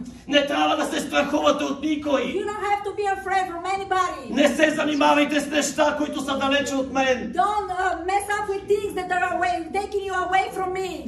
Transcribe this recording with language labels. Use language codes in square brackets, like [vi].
[bg] Не трябва да се страхувате от никой. [en] You don't have to be afraid from anybody. [bg] Не се занимавайте с неща, които са далече от мен. [en] Don't mess up with things that are away, taking you away from me.